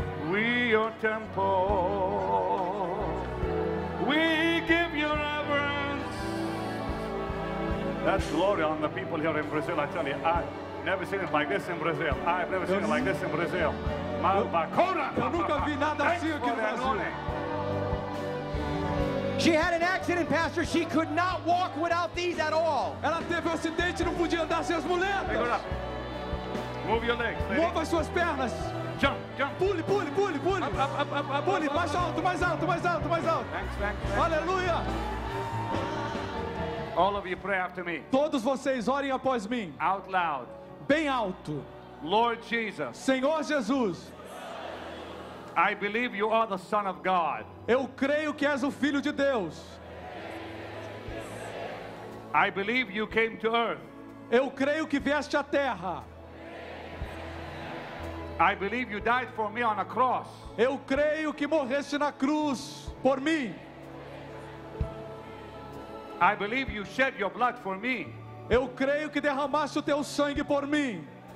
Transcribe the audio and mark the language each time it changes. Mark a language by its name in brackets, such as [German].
[English] We your temple. We give you reverence. That's glory on the people here in Brazil. I tell you, I've never seen it like this in Brazil. [Portuguese] Eu nunca vi nada assim aqui no Brasil. [English] She had an accident, Pastor. She could not walk without these at all. [Portuguese] Ela teve um acidente e não podia andar sem as muletas. [English] Move your legs. [Portuguese] Lady. Mova as suas pernas. [English] Jump. [Portuguese] Pule, pule, pule, pule. Pule, mais alto, mais alto, mais alto, mais alto. [English] Thanks. [Portuguese] Aleluia. [English] All of you pray after me. [Portuguese] Todos vocês orem após mim. [English] Out loud. [Portuguese] Bem alto. [English] Lord Jesus. [Portuguese] Senhor Jesus. [English] I believe you are the Son of God. [Portuguese] Eu creio que és o Filho de Deus. [English] I believe you came to earth. [Portuguese] Eu creio que vieste à terra. [English] I believe you died for me on a cross. [Portuguese] Eu creio que morreste na cruz por mim. [English] I believe you shed your blood for me. [Portuguese] Eu creio que derramaste o teu sangue por mim.